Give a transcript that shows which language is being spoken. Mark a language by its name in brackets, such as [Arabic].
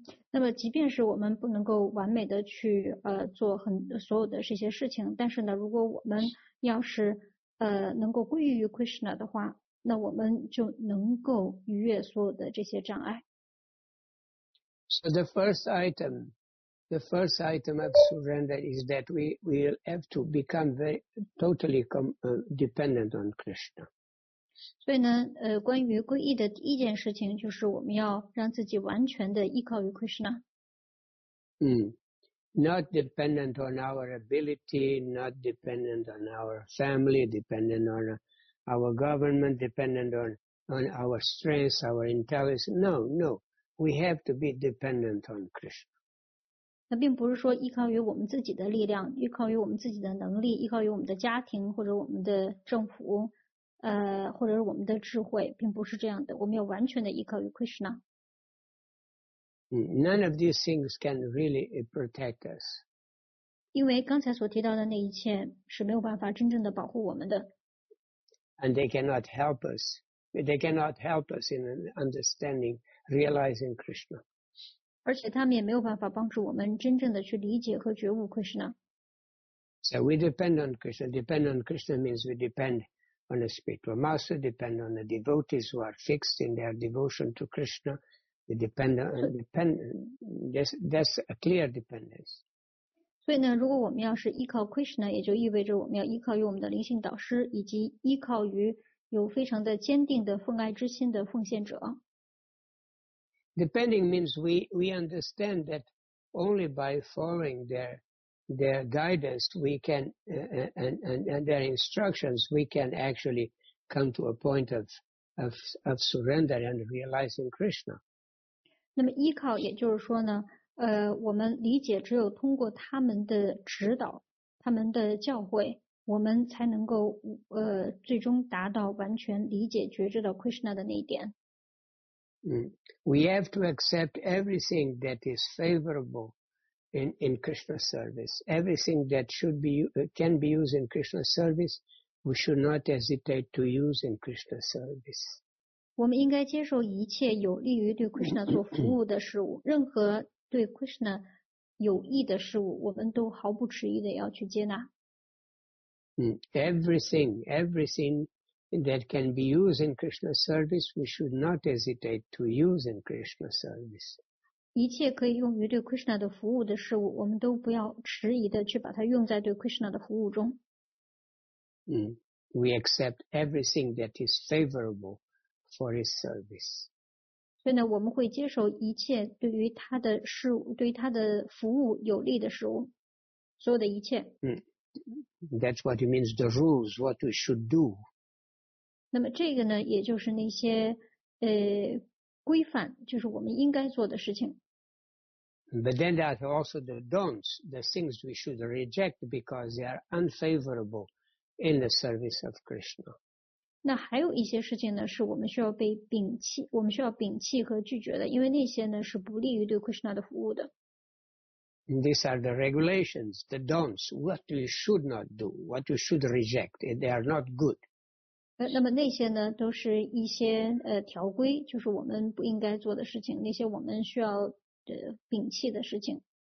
[Chinese] 那么即便是我们不能够完美的去做很所有的这些事情，但是呢，如果我们要是能够归于 Krishna 的话，那我们就能够逾越所有的这些障碍。 [English] So the first item of surrender is that we will have to become very totally dependent on Krishna. [Chinese] 所以呢，关于皈依的第一件事情就是我们要让自己完全的依靠于 Krishna. [English] Not dependent on our ability, not dependent on our family, dependent on our government, dependent on our strength, our intelligence. No. We have to be dependent on Krishna. [Chinese] 那并不是说依靠于我们自己的力量，依靠于我们自己的能力，依靠于我们的家庭或者我们的政府，或者是我们的智慧，并不是这样的。我们要完全的依靠于 Krishna. [English] None of these things can really protect us. [Chinese] 因为刚才所提到的那一切是没有办法真正的保护我们的。 [English] And they cannot help us. They cannot help us in understanding. Realizing Krishna. [Chinese] 而且他们也没有办法帮助我们真正的去理解和觉悟 Krishna. [English] So we depend on Krishna. Depend on Krishna means we depend on the spiritual master, depend on the devotees who are fixed in their devotion to Krishna. We depend on that's a clear dependence. [Chinese] 所以呢，如果我们要是依靠 Krishna， 也就意味着我们要依靠于我们的灵性导师，以及依靠于有非常的坚定的奉爱之心的奉献者。 [English] Depending means we understand that only by following their guidance we can and their instructions we can actually come to a point of surrender and realizing Krishna. [Chinese] 那么依靠也就是说呢，我们理解只有通过他们的指导，他们的教诲，我们才能够最终达到完全理解觉知到 Krishna 的那一点。 [English] We have to accept everything that is favorable in Krishna's service. Everything that should be, can be used in Krishna's service, we should not hesitate to use in Krishna's service. [Chinese] 我们应该接受一切有利于对 Krishna 做服务的事物，任何对 Krishna 有益的事物，我们都毫不迟疑的要去接纳。 [English] Everything. That can be used in Krishna's service, we should not hesitate to use in Krishna's service. [Chinese] 一切可以用于对 Krishna 的服务的事物，我们都不要迟疑的去把它用在对 Krishna 的服务中。 [English] We accept everything that is favorable for His service. [Chinese] 所以呢，我们会接受一切对于他的事物，对于他的服务有利的事物，所有的一切。 [English] That's what it means. The rules, what we should do. [Chinese] 那么这个呢，也就是那些规范，就是我们应该做的事情。 [English] But then there are also the don'ts, the things we should reject because they are unfavorable in the service of Krishna. [Chinese] 那还有一些事情呢，是我们需要被摒弃，我们需要摒弃和拒绝的，因为那些呢是不利于对 Krishna 的服务的。 [English] And these are the regulations, the don'ts, what we should not do, what we should reject. They are not good. [Chinese] 那么那些呢都是一些条规，就是我们不应该做的事情，那些我们需要摒弃的事情。